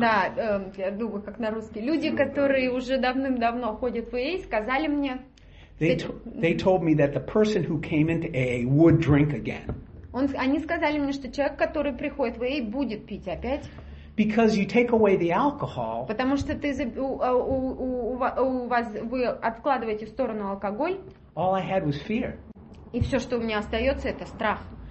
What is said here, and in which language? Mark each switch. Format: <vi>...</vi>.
<ru>Да, я думаю, как на русский. Люди, которые уже давным-давно ходят в AA, сказали мне.</ru> <en>They told me that the person who came into AA would drink again.</en> <ru>Они сказали мне, что человек, который приходит в AA, будет пить опять.</ru> <en>Because you take away the alcohol.</en> <ru>Потому что вы откладываете в сторону алкоголь.</ru> <en>All I had was fear.</en> <ru>И все, что у меня остается, это страх.</ru>